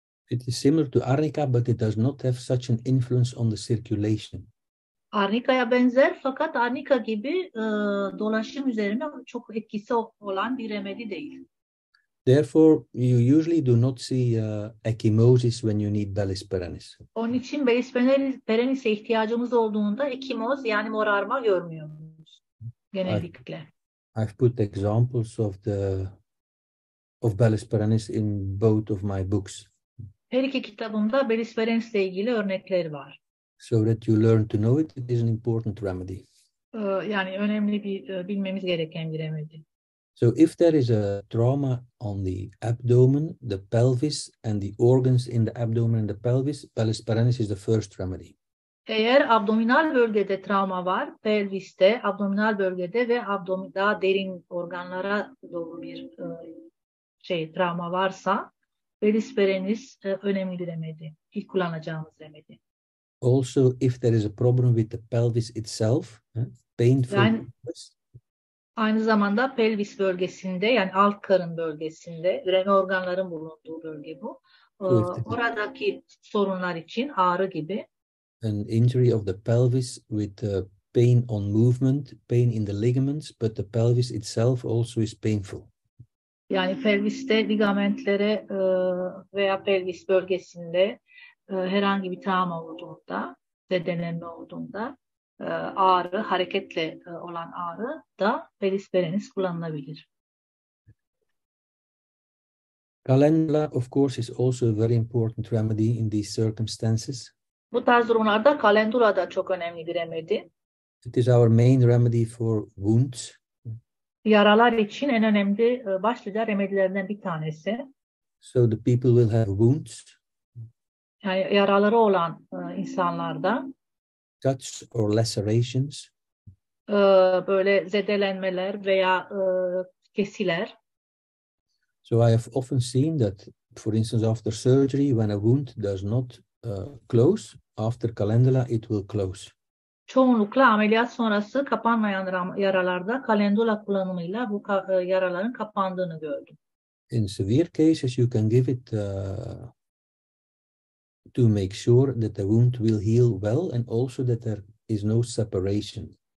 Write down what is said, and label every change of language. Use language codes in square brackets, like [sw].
[en] It is similar to arnica, but it does not have such an influence on the circulation. [tr] Arnika'ya benzer fakat arnika gibi dolaşım üzerine çok etkisi olan bir remedi değil. [en] Therefore, you usually do not see ekimosis when you need belisperanis. [tr] Onun için belisperanis'e ihtiyacımız olduğunda ekimoz yani morarma görmüyoruz genellikle. [en] I've put examples of belisperanis in both of my books. [tr] Her iki kitabımda belisperanis ile ilgili örnekleri var. [en] So that you learn to know it, it is an important remedy. [tr] Yani önemli bir bilmemiz gereken bir remedi. [en] So if there is a trauma on the abdomen, the pelvis and the organs in the abdomen and the pelvis, belisperanis is the first remedy. [tr] Eğer abdominal bölgede travma var, pelviste, abdominal bölgede ve daha derin organlara doğru bir travma varsa belisperanis önemli bir remedi. İlk kullanacağımız remedi. [en] Also if there is a problem with the pelvis itself, painful. [tr] Yani, aynı zamanda pelvis bölgesinde yani alt karın bölgesinde üreme organların bulunduğu bölge bu. Oradaki sorunlar için ağrı gibi. [en] An injury of the pelvis with pain on movement, pain in the ligaments, but the pelvis itself also is painful. [tr] Yani pelviste ligamentlere veya pelvis bölgesinde herhangi bir travma olduğunda, zedelenme olduğunda ağrı, hareketle olan ağrı da belisperanis kullanılabilir. [en] Calendula, of course, is also a very important remedy in these circumstances. [tr] Bu tarz durumlarda calendula da çok önemli bir remedi. [en] It is our main remedy for wounds. [tr] Yaralar için en önemli başlıca remedilerden bir tanesi. [en] So the people will have wounds. [tr] yani yaraları olan insanlarda. [en] Cuts or lacerations. [tr] Böyle zedelenmeler veya kesiler. [en] So I have often seen that, for instance, after surgery, when a wound does not close, after calendula, it will close. [tr] Çoğunlukla ameliyat sonrası kapanmayan yaralarda kalendula kullanımıyla bu yaraların kapandığını gördüm. [en] In severe cases, you can give it to make sure that the wound will heal well and also that there is no separation.